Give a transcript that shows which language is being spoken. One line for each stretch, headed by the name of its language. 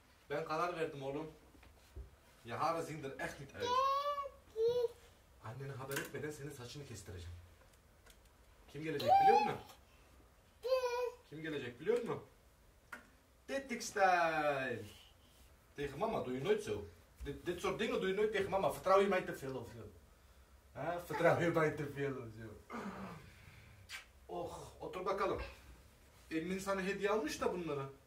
Turkish: Ben karar verdim oğlum. Yahara zindir ehlit el. Annene haber etmeden senin saçını kestireceğim. Kim gelecek biliyor musun? Kim gelecek biliyor musun? Dedik style.
Dutch: Tegen mama doe je nooit zo. Dit soort dingen doe je nooit tegen mama. Vertrouw je mij te veel of zo? Ha, vertrouw je mij te veel of zo?
Turkish: Och, otur bakalım. Emin sana hediye almış da bunları.